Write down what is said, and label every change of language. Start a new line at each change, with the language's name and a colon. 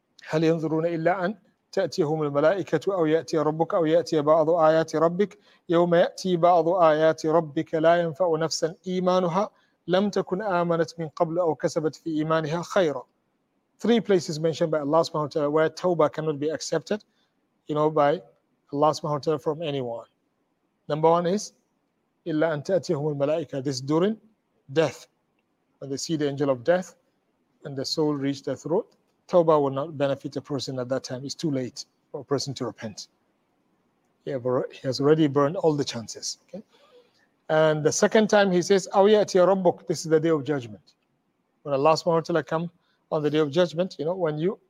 Arabic: هَلْ يَنظُرُونَ إِلَّا أَنْ تَأْتِيَهُمُ الْمَلَائِكَةُ أَوْ يَأْتِيَ رَبُّكَ أَوْ يَأْتِيَ بَعْضُ آيَاتِ رَبِّكَ يَوْمَ يَأْتِي بَعْضُ آيَاتِ رَبِّكَ لَا يَنْفَعُ نَفْسًا إِيمَانُهَا لَمْ تَكُنْ آمَنَتْ مِنْ قَبْلُ أَوْ كَسَبَتْ فِي إِيمَانِهَا خَيْرًا.
English: Three places mentioned by Allah subhanahu wa ta'ala where tawbah cannot be accepted, you know, by Allah subhanahu wa ta'ala from anyone. Number one is
Arabic: إِلَّا أَنْ تَأْتِيَهُمُ الْمَلَائِكَةُ.
English: This during death, when they see the angel of death and the soul reach their throat, tawbah will not benefit a person at that time. It's too late for a person to repent. He has already burned all the chances. Okay? And the second time he says,
Arabic: أَوْيَأْتِيَ رَبُّكَ.
English: This is the day of judgment. When Allah subhanahu wa ta'ala come on the day of judgment, you know, when you